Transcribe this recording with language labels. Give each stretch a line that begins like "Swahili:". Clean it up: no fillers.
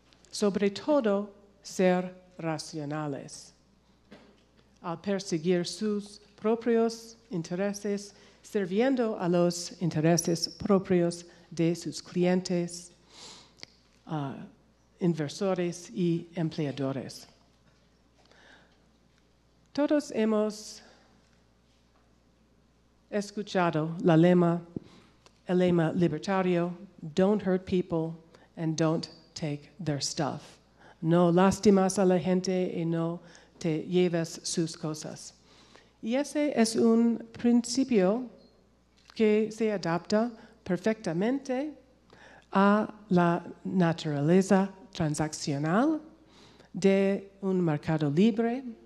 Spanish: Sobre todo, ser racionales al perseguir sus propios intereses, sirviendo a los intereses propios de sus clientes, inversores y empleadores. Todos hemos escuchado el lema libertario,
English: don't hurt people and don't take their stuff.
Spanish: No lastimas a la gente y no te lleves sus cosas. Y ese es un principio que se adapta perfectamente a la naturaleza transaccional de un mercado libre,